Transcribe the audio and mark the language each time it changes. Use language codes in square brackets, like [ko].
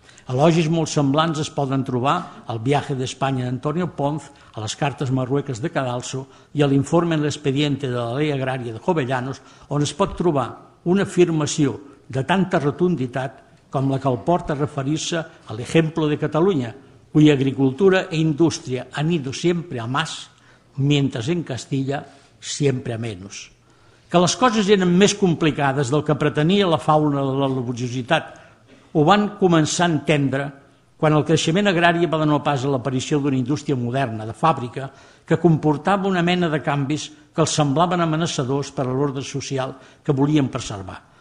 [ca] Elogis molt semblants es poden trobar al Viaje d'Espanya d'Antonio Ponz, a les Cartes Marrueques de Cadalso i a l'informe en l'expediente de la Ley Agrària de Jovellanos, on es pot trobar una afirmació de tanta rotunditat com la que el porta a referir-se a l'exemple de Catalunya, [es] cuya agricultura e industria han ido siempre a más, mientras en Castilla siempre a menos. [ca] Que les coses eren més complicades del que pretenia la fauna de la laboriositat ho van començar a entendre quan el creixement agrari va donar pas a l'aparició d'una indústria moderna de fàbrica que comportava una mena de canvis que els semblaven amenaçadors per a l'ordre social que volien preservar.